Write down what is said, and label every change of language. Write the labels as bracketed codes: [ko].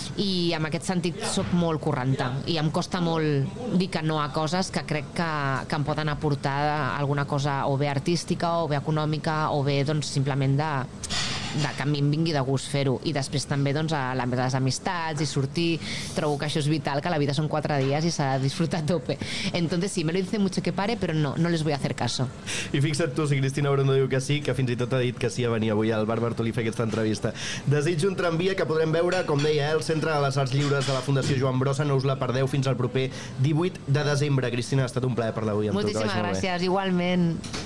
[ca] I en aquest sentit sóc molt corranta i em costa molt dir que no a coses que crec que em poden aportar alguna cosa o bé artística o bé econòmica o bé doncs, simplement de que a mi em vingui de gust fer-ho. I després també doncs, a les amistats i sortir, trobo que això és vital, que la vida són 4 dies i s'ha de disfrutar a tope. [es] Entonces sí, me lo dice mucho que pare, pero no les voy a hacer caso. [ca] I fixa't tu, si Cristina Brondo diu que sí, que fins i tot ha dit que sí a venir avui al Bar Bartolí a fer aquesta entrevista. Desig, un tramvia que podrem veure, com deia, el Centre de les Arts Lliures de la Fundació Joan Brossa. No us la perdeu fins al proper 18 de desembre. Cristina, ha estat un plaer parlar avui amb moltíssimes tu. Moltíssimes gràcies, igualment.